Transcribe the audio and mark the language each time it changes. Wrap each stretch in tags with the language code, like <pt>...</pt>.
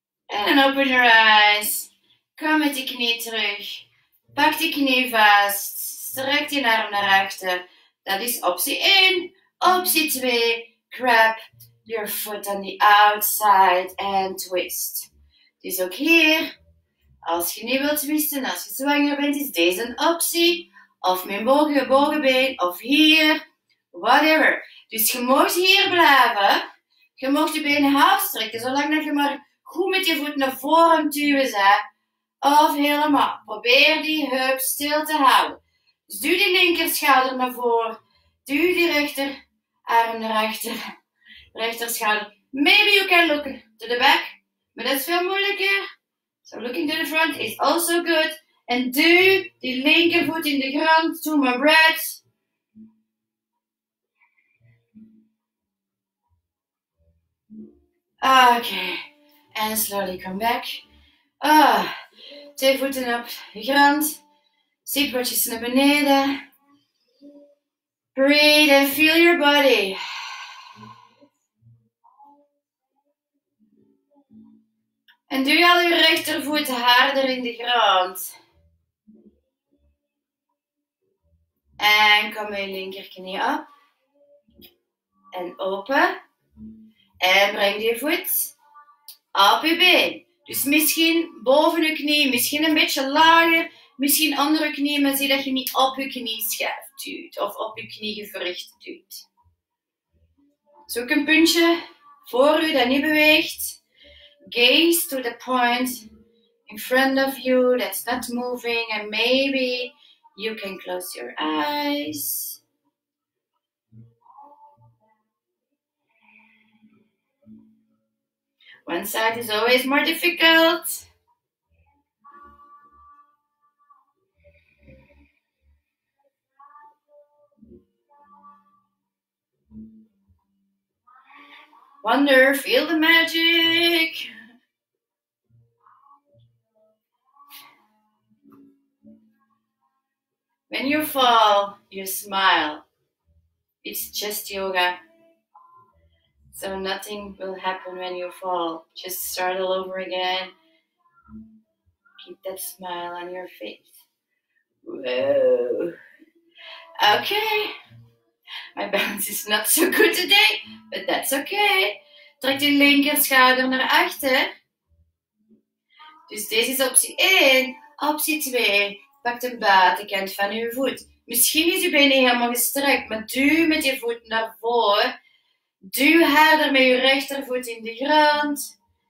<nl>En</nl> <en>open your eyes.</en> <nl>Kom met die knie terug. Pak die knie vast. Strek die arm naar achter. Dat is optie 1. Optie 2.</nl> <en>Grab your foot on the outside and twist.</en> <nl>Dus ook hier. Als je niet wilt twisten, als je zwanger bent, is deze een optie. Of mijn bovenbeen. Of hier. Whatever. Dus je mag hier blijven. Je mag je benen half strekken, zolang dat je maar goed met je voet naar voren duwen ze. Of helemaal. Probeer die heup stil te houden. Dus duw die linker schouder naar voren. Duw die rechter arm naar achter. Rechter schouder.</nl> <en>Maybe you can look to the back.</en> <nl>Maar dat is veel moeilijker.</nl> <en>So looking to the front is also good.</en> <nl>En duw die linker voet in de grond.</nl> <en>To my breath. Okay. En slowly come back.</en> <nl>Ah, twee voeten op de grond. Zitbordjes naar beneden.</nl> <en>Breathe and feel your body.</en> <nl>En duw al je rechtervoet harder in de grond. En kom je linkerknie op. En open. En breng je voet op je been. Dus misschien boven je knie, misschien een beetje lager, misschien andere knie, maar zie dat je niet op je knie schuift duwt of op je knie gewricht duwt. Zoek een puntje voor u dat niet beweegt.</nl> <en>Gaze to the point in front of you that's not moving and maybe you can close your eyes. One side is always more difficult. Wonder, feel the magic. When you fall, you smile. It's just yoga. So nothing will happen when you fall. Just start all over again. Keep that smile on your face. Whoa. Okay. My balance is not so good today, but that's okay.</en> <nl>Trek die linker schouder naar achter. Dus deze is optie 1. Optie 2. Pak de buitenkant van je voet. Misschien is je been niet helemaal gestrekt, maar duw met je voet naar voren. Duw harder met je rechtervoet in de grond.</nl>